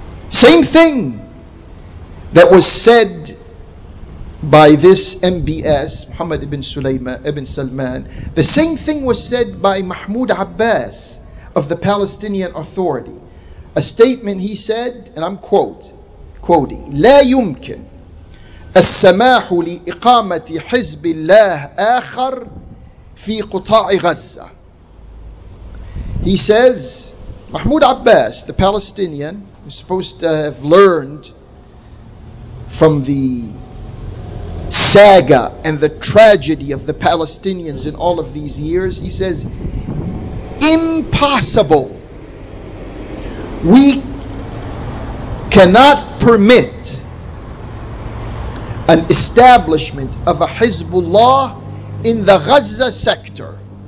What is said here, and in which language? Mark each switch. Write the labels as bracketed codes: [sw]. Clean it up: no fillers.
[en] Same thing that was said by this MBS, Muhammad ibn Sulayman, ibn Salman, the same thing was said by Mahmoud Abbas of the Palestinian Authority. A statement he said, and I'm quoting, [ar] لا يمكن السماح لإقامة حزب الله آخر في قطاع غزة. [en] He says, Mahmoud Abbas, the Palestinian, is supposed to have learned from the saga and the tragedy of the Palestinians in all of these years. He says, impossible. We cannot permit an establishment of a Hezbollah in the Gaza sector.